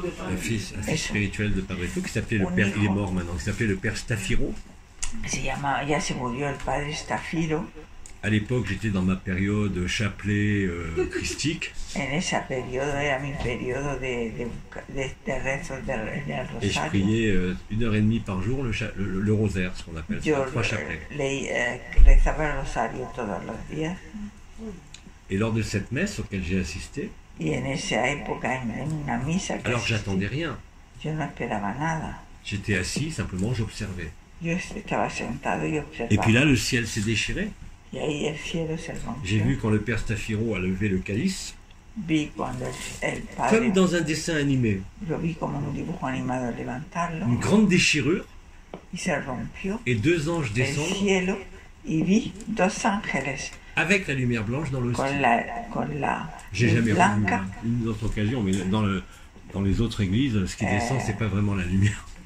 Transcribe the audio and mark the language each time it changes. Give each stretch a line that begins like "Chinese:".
French: Un fils spirituel de Padre Pio qui s'appelait le père. Hijo. Il est mort maintenant. Qui s'appelait le père Staffiro.
Spanish: Se llama, ya se murió el padre Staffiro.
French: À l'époque, j'étais dans ma période chapelet christique.
Spanish: En esa periodo era mi periodo de rezos del rosario.
French: Et je priais une heure et demie par jour le rosaire, ce qu'on appelle trois chapelets.
Spanish: Rezaba el rosario todos los días.
French: Et lors de cette messe auquel j'ai assisté.
Spanish: Y en esa época en una misa.
French: Alors que j'attendais rien.
Spanish: Yo no esperaba nada.
French: J'étais assis simplement, j'observais.
Spanish: Yo estaba sentado y observaba.
French: Et puis là, le ciel s'est déchiré.
Spanish: Y ahí el cielo se rompió.
French: J'ai vu quand le père Staffiro a levé le calice.
Spanish: Vi cuando el padre,
French: comme dans un dessin animé.
Spanish: Lo vi como un dibujo animado levantarlo.
French: Une grande déchirure.
Spanish: Y se rompió.
French: Et deux anges descendent.
Spanish: El cielo, y vi dos ángeles.
French: Avec la lumière blanche dans le ciel.
Spanish: Con la j'ai jamais blanca.
French: Vu une autre occasion, mais dans les autres églises, ce qui descend, c'est pas vraiment la lumière.